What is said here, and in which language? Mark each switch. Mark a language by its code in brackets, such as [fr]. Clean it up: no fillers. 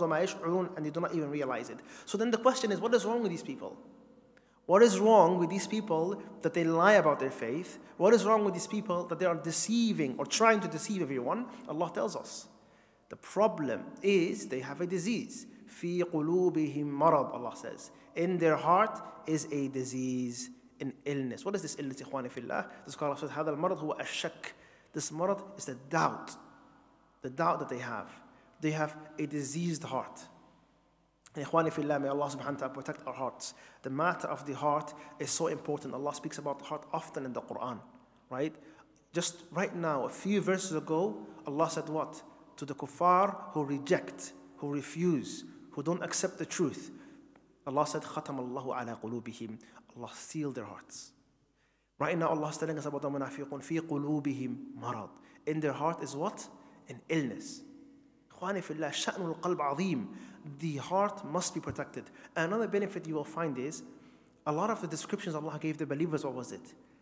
[ar] وَمَا يَشْعُرُونَ. [en] And they do not even realize it. So then the question is, what is wrong with these people? What is wrong with these people that they lie about their faith? What is wrong with these people that they are deceiving or trying to deceive everyone? Allah tells us. The problem is they have a disease. [ar] فِي قُلُوبِهِمْ مَرَضٍ, Allah says. [en] In their heart is a disease, an illness. What is this illness, ikhwani fillah? The scholar says, [ar] هَذَا الْمَرَضْ هُوَ أَشَّكْ. [en] This marad is the doubt. The doubt that they have. They have a diseased heart. Ikhwani fillah, may Allah subhanahu wa ta'ala protect our hearts. The matter of the heart is so important. Allah speaks about the heart often in the Quran, right? Just right now, a few verses ago, Allah said what? To the kuffar who reject, who refuse, who don't accept the truth. Allah said, [ar] خَتَمَ اللَّهُ عَلَىٰ قُلُوبِهِمْ. [en] Allah sealed their hearts. Right now, Allah is telling us about the munafiqun, [ar] فِي قُلُوبِهِمْ مَرَضٍ. [en] In their heart is what? An illness. [ar] إِخْوَانِ فِي اللَّهِ شَأْنُ الْقَلْبِ عَظِيمٌ. [en] The heart must be protected. Another benefit you will find is, a lot of the descriptions Allah gave the believers, what was it?